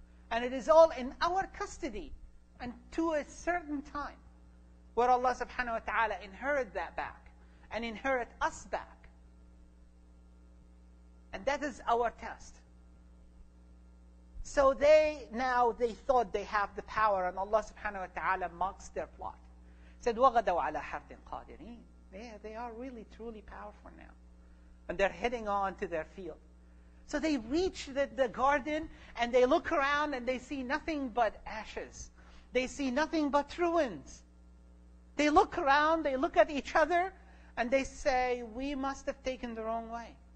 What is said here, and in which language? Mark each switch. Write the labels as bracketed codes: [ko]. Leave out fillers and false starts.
[en] And it is all in our custody and to a certain time where Allah subhanahu wa ta'ala inherit that back and inherit us back. And that is our test. So they now, they thought they have the power, and Allah subhanahu wa ta'ala mocks their plot. Said, [ar] وَغَدَوْ عَلَى حَرْدٍ قَادِرِينَ. [en] They are really truly powerful now. And they're heading on to their field. So they reach the garden and they look around and they see nothing but ashes. They see nothing but ruins. They look around, they look at each other and they say, we must have taken the wrong way.